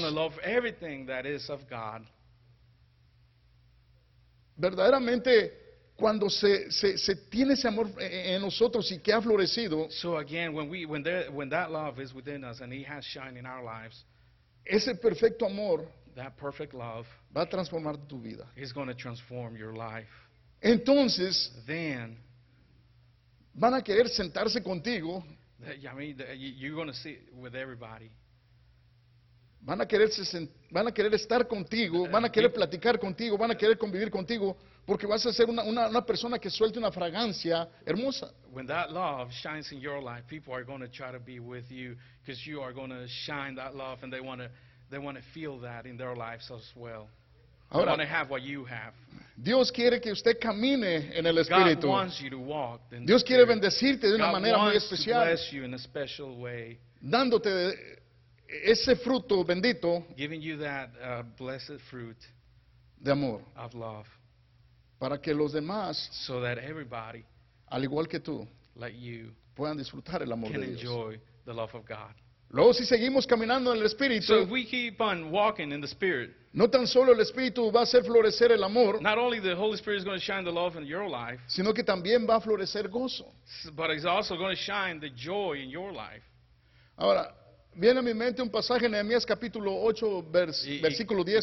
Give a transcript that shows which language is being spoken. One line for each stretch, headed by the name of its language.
English: going to love everything that is of God.
Spanish: Verdaderamente cuando se tiene ese amor en nosotros y que ha florecido,
English: so again when that love is within us and he has shined in our lives,
Spanish: ese perfecto amor,
English: that perfect love,
Spanish: va a transformar tu vida.
English: Is going to transform your life.
Spanish: Entonces,
English: then,
Spanish: van a querer sentarse contigo.
English: I mean, you're going to sit with everybody.
Spanish: Van a querer estar contigo, van a querer platicar contigo, van a querer convivir contigo, porque vas a ser una persona que suelte una fragancia hermosa.
English: When that love shines in your life, people are going to try to be with you because you are going to shine that love and they want to feel that in their lives as well.
Spanish: Ahora,
English: they want to have what you have.
Spanish: Dios quiere que usted camine en el Espíritu.
English: God wants you to walk in the
Spanish: Dios quiere bendecirte de una
English: God
Spanish: manera muy especial.
English: God wants to bless you in a special way.
Spanish: Dándote ese fruto bendito,
English: giving you that blessed fruit
Spanish: de amor,
English: of love,
Spanish: para que los demás,
English: so that everybody,
Spanish: al igual que tú,
English: like you,
Spanish: puedan disfrutar el amor
English: can
Spanish: de Dios.
English: Enjoy the love of God.
Spanish: Luego, si seguimos caminando en el Espíritu,
English: so if we keep on walking in the Spirit,
Spanish: no tan solo el Espíritu va a hacer florecer el amor,
English: not only the Holy Spirit is going to shine the love in your life,
Spanish: sino que también va a florecer gozo.
English: But it's also going to shine the joy in your life.
Spanish: Ahora, viene a mi mente un pasaje en Nehemías capítulo 8, versículo 10.